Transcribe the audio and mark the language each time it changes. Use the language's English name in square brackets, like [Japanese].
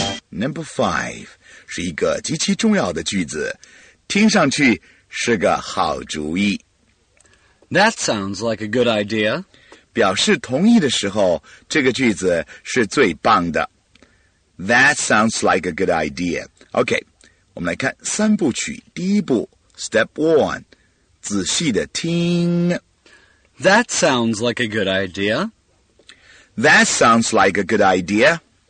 [English] Number 5 [Chinese] 是一个极其重要的句子，听上去是个好主意。 [English] That sounds like a good idea. [Chinese] 表示同意的时候，这个句子是最棒的。 [English] That sounds like a good idea. [Chinese] OK, 我们来看三部曲。第一步 [English] Step 1. [Chinese] 仔细地听。 [English] That sounds like a good idea. That sounds like a good idea.